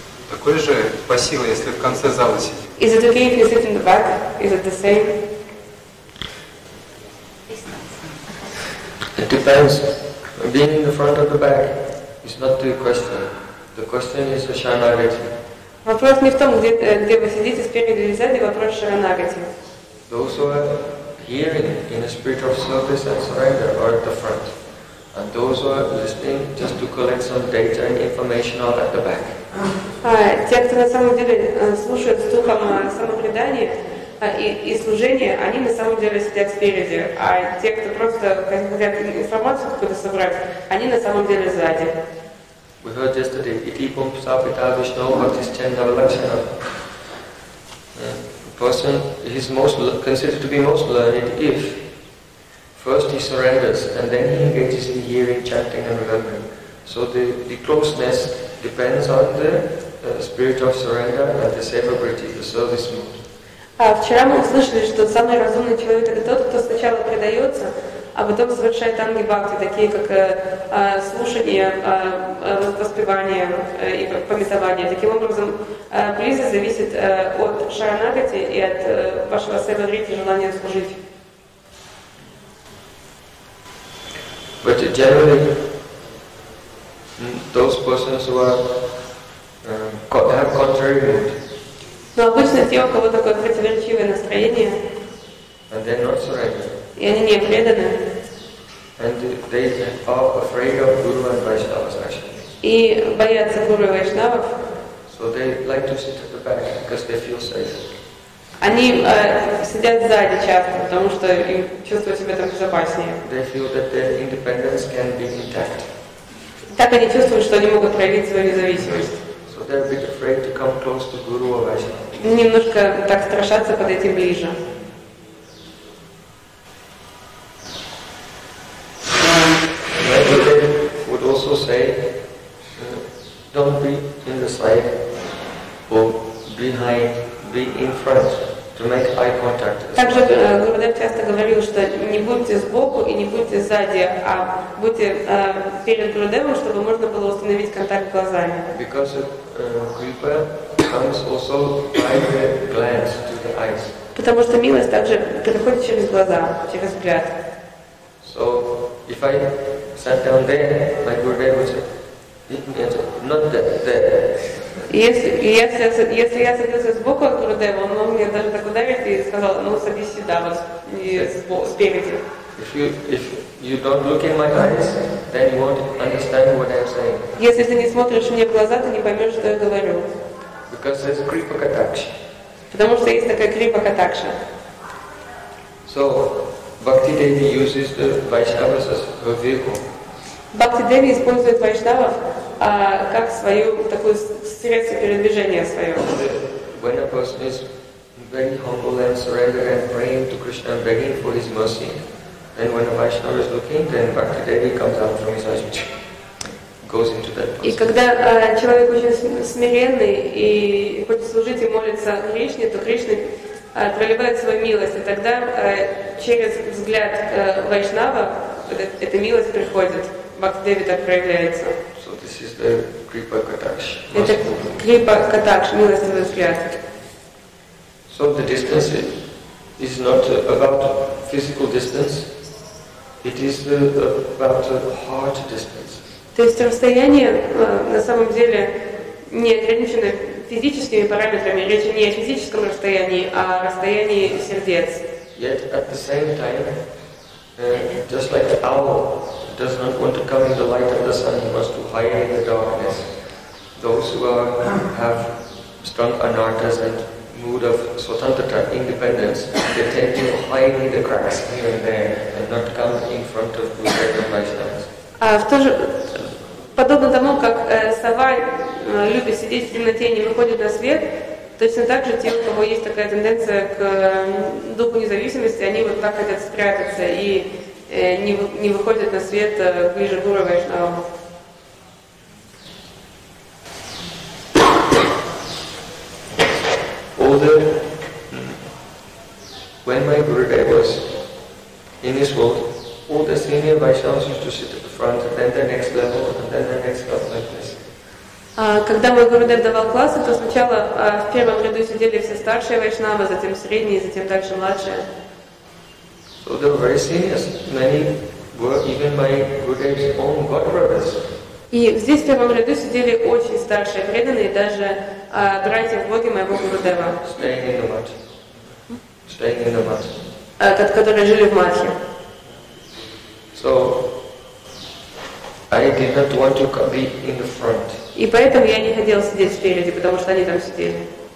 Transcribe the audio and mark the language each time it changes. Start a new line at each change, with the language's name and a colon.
Russian: Какой же по силе, если в конце зала сидеть?
English: Is it okay if you sit in the back? Is it the same? It depends. Being in the front or the back is not the question. The question is the шаранагати.
Russian: Вопрос не в том, где вы сидите, спереди или сзади, вопрос шаранагати.
English: Those who are here in a spirit of service and surrender are at the front. And those who are listening just to collect some data and information are at the back.
Russian: Те, кто на самом деле слушают с духом самопредания и служения, они на самом деле сидят спереди, а те, кто просто хотят информацию какую-то собрать, они на самом деле сзади.
English: We heard yesterday,
Sanskrit: iti pum sapita vishno bhakti chanda lakshana.
English: A person is most considered to be most learned if first he surrenders and then he engages in hearing, chanting and remembering. So the closeness depends on the spirit of surrender and the savability, the service mode.
Russian: Вчера мы услышали, что самый разумный человек это тот, кто сначала предается, а потом совершает анги бхакти, такие как слушание, воспевание и памятование. Таким образом, близость зависит от шаранагати и от вашего savability, желания служить.
English: But generally, those persons who are have contrary mood.
Russian: Но обычно те, у кого такое противоречивое настроение.
English: And they're not surrender.
Russian: И они не преданы.
English: And they are afraid of guru and vaishnavas actually.
Russian: И боятся гуру и вайшнавов.
English: So they like to sit at the back because they feel safe.
Russian: Они сидят сзади часто, потому что им чувствуют себя там безопаснее.
English: They feel that their independence can be intact.
Russian: Так они чувствуют, что они могут проявить свою независимость.
English: So they're a bit afraid to come close to guru or vaishnava.
Russian: Немножко так страшатся подойти ближе.
English: Maybe they would also say, don't be in the side, or behind, be in front. to make eye contact.
Russian: Также Гурудев часто говорил, что не будьте сбоку и не будьте сзади, а будьте перед Гурудевом, чтобы можно было установить контакт глазами.
English: Because kripa comes also by the glance to the eyes.
Russian: Потому что милость также переходит через глаза, через взгляд.
English: So if I sat down there, my Gurudev would say, not there.
Russian: Если я садился сбоку от Гурудева, он мог мне даже так ударить и сказал, ну садись сюда, вот спереди.
English: If you don't look in my eyes, then you won't understand what I'm saying.
Russian: Если ты не смотришь мне в глаза, ты не поймешь, что я говорю.
English: Because there's kripa katakshi.
Russian: Потому что есть такая kripa katakshi.
English: So Bhakti Devi uses the Vaishnavas as her vehicle.
Russian: Bhakti Devi использует Vaishnavas как свою такую средство передвижения свое.
English: When a person is very humble and surrendered and praying to Krishna and begging for his mercy, then when a Vaishnava is looking, then Bhakti Devi comes out from his ajit, goes into that person.
Russian: И когда человек очень смиренный и хочет служить и молиться Кришне, то Кришна проливает свою милость, и тогда через взгляд Вайшнава эта милость приходит. Бхакти Деви так проявляется.
English: So this is the kripa katakshi.
Russian: Это kripa katakshi, милостивый взгляд.
English: So the distance is not about physical distance. It is about heart distance.
Russian: То есть расстояние на самом деле не ограничено физическими параметрами. Речь не о физическом расстоянии, а о расстоянии сердец.
English: Yet at the same time, just like the owl does not want to come in the light of the sun, he wants to hide in the darkness. Those who have strong anartas and mood of swatantra independence, they tend to hide in the cracks here and there and not come in front of Buddha and Vaishnavas.
Russian: Подобно тому, как сова любит сидеть в темноте и не выходит на свет, точно так же те, у кого есть такая тенденция к духу независимости, они вот так хотят спрятаться и не выходят на свет ближе к Гуру Вайшнавам.
English: When my Gurudev was in this world, all the senior Vaishnavas used to sit at the front, and then the next level, and then the next level, like this.
Russian: Когда мой Гурудев давал классы, то сначала в первом ряду сидели все старшие Вайшнавы, затем средние, затем также младшие.
English: So they were very serious. Many were even my Gurudev's own god brothers.
Russian: И здесь в первом ряду сидели очень старшие преданные, даже братья в боге моего Гурудева.
English: Staying in the mat. Staying in the mat.
Russian: Которые жили в матхе.
English: So I did not want to be in the front.
Russian: И поэтому я не хотел сидеть спереди, потому что они там сидели.